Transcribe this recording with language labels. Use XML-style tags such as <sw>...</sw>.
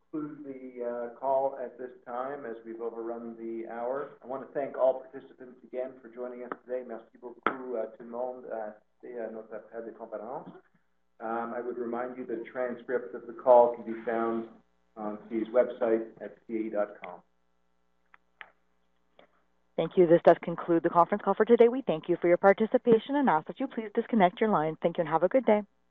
<en>Conclude the call at this time as we've overrun the hour. I want to thank all participants again for joining us today.</en> <fr>Merci beaucoup à tout le monde à assister à notre appel de conférence.</fr> <en>I would remind you that a transcript of the call can be found on CAE's website at cae.com. Thank you. This does conclude the conference call for today. We thank you for your participation and ask that you please disconnect your line. Thank you and have a good day.</en>